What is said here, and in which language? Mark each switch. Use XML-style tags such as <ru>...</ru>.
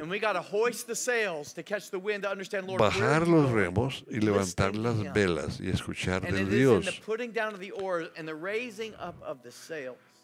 <en>and we got to hoist the sails to catch the wind to understand, Lord,</en> <es>bajar los remos y levantar las velas y escuchar de Dios.</es> <en>And it is in the putting down of the oars and the raising up of the sails.</en>